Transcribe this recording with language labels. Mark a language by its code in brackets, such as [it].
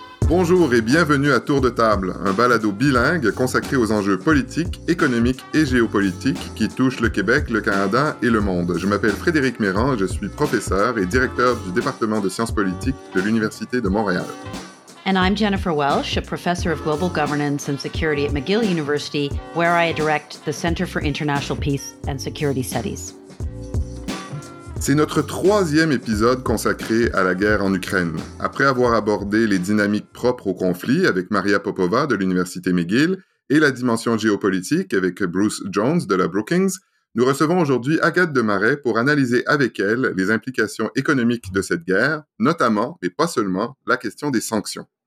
[fr] Bonjour et bienvenue à Tour de table, un balado bilingue consacré aux enjeux politiques, économiques et géopolitiques qui touchent le Québec, le Canada et le monde. Je m'appelle Frédéric Mérand, je suis professeur et directeur du département de sciences politiques de l'Université de Montréal. [en] And I'm Jennifer Welsh, a professor of global governance and security at McGill University, where I direct the Center for International Peace and Security Studies. [fr] C'est notre troisième épisode consacré à la guerre en Ukraine. Après avoir abordé les dynamiques propres au conflit avec Maria Popova de l'Université McGill et la dimension géopolitique avec Bruce Jones de la Brookings, nous recevons aujourd'hui Agathe Demaret pour analyser avec elle les implications économiques de cette guerre, notamment, et pas seulement, la question des sanctions.